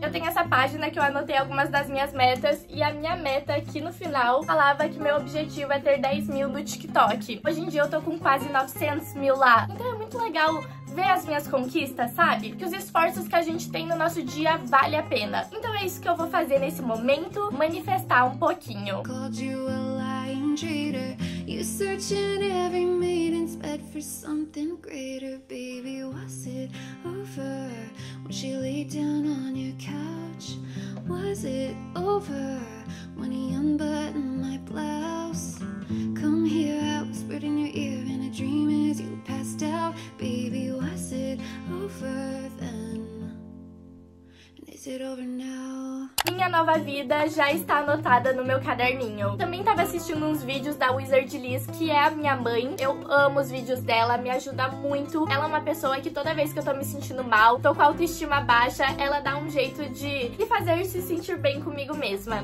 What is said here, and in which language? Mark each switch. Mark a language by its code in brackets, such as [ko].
[pt] Eu tenho essa página que eu anotei algumas das minhas metas e a minha meta aqui no final falava que meu objetivo é ter 10 mil no TikTok. Hoje em dia eu tô com quase 900 mil lá. Então é muito legal ver as minhas conquistas, sabe? Que os esforços que a gente tem no nosso dia vale a pena. Então é isso que eu vou fazer nesse momento, manifestar um pouquinho. [en] Called you a lying cheater. You search in every maiden's bed for something greater. Baby, was it over when she laid down on your couch? Was it over when he unbuttoned my blouse? Come here, I whispered in your ear in a dream as you passed out. Baby, was it over then? And is it over now? [pt] Minha minha nova vida já está anotada no meu caderninho. Também tava assistindo uns vídeos da Wizard Liz, que é a minha mãe. Eu amo os vídeos dela, me ajuda muito. Ela é uma pessoa que toda vez que eu tô me sentindo mal, tô com a autoestima baixa, ela dá um jeito de me fazer se sentir bem comigo mesma.